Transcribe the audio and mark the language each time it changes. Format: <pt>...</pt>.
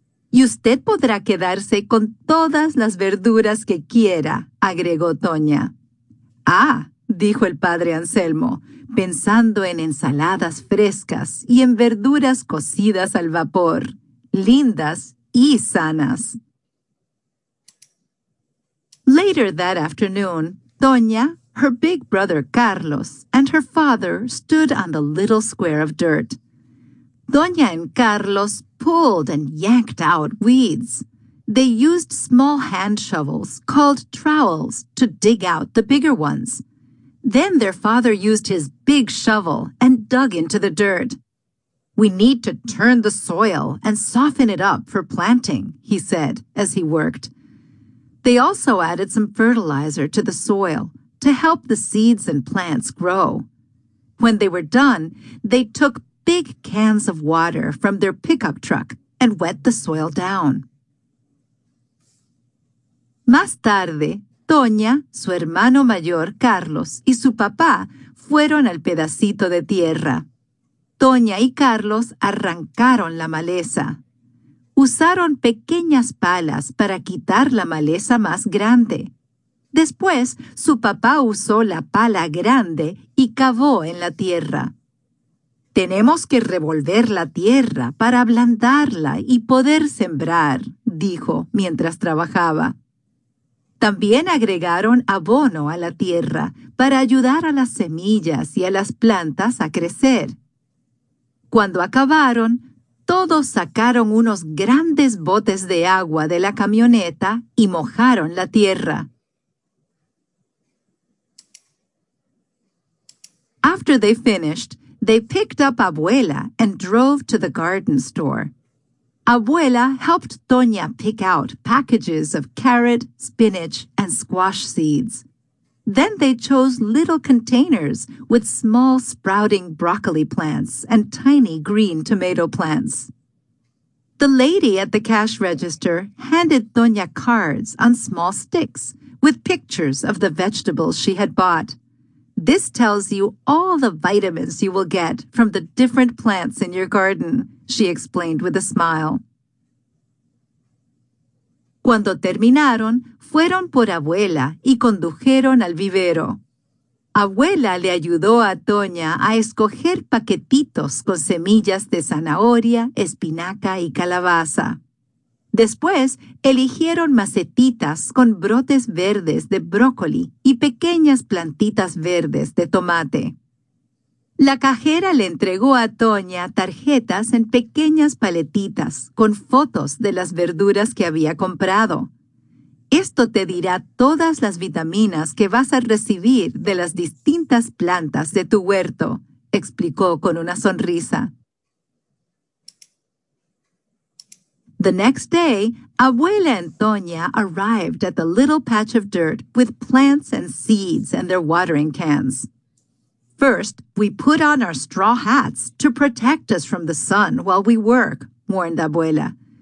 <es>Y usted podrá quedarse con todas las verduras que quiera, agregó Toña. Ah, dijo el padre Anselmo, pensando en ensaladas frescas y en verduras cocidas al vapor, lindas y sanas.</es> <en>Later that afternoon, Doña, her big brother Carlos, and her father stood on the little square of dirt. Doña and Carlos pulled and yanked out weeds. They used small hand shovels called trowels to dig out the bigger ones. Then their father used his big shovel and dug into the dirt. We need to turn the soil and soften it up for planting, he said as he worked. They also added some fertilizer to the soil to help the seeds and plants grow. When they were done, they took big cans of water from their pickup truck and wet the soil down.</en> <es>Más tarde, Toña, su hermano mayor, Carlos, y su papá fueron al pedacito de tierra. Toña y Carlos arrancaron la maleza. Usaron pequeñas palas para quitar la maleza más grande. Después, su papá usó la pala grande y cavó en la tierra. «Tenemos que revolver la tierra para ablandarla y poder sembrar», dijo mientras trabajaba. También agregaron abono a la tierra para ayudar a las semillas y a las plantas a crecer. Cuando acabaron, todos sacaron unos grandes botes de agua de la camioneta y mojaron la tierra.</es> <en>After they finished, they picked up Abuela and drove to the garden store. Abuela helped Toña pick out packages of carrot, spinach, and squash seeds. Then they chose little containers with small sprouting broccoli plants and tiny green tomato plants. The lady at the cash register handed Toña cards on small sticks with pictures of the vegetables she had bought. This tells you all the vitamins you will get from the different plants in your garden, she explained with a smile.</en> <es>Cuando terminaron, fueron por Abuela y condujeron al vivero. Abuela le ayudó a Toña a escoger paquetitos con semillas de zanahoria, espinaca y calabaza. Después, eligieron macetitas con brotes verdes de brócoli y pequeñas plantitas verdes de tomate. La cajera le entregó a Toña tarjetas en pequeñas paletitas con fotos de las verduras que había comprado. Esto te dirá todas las vitaminas que vas a recibir de las distintas plantas de tu huerto, explicó con una sonrisa.</es> <en>The next day, Abuela and Toña arrived at the little patch of dirt with plants and seeds and their watering cans. First, we put on our straw hats to protect us from the sun while we work, warned Abuela.</en>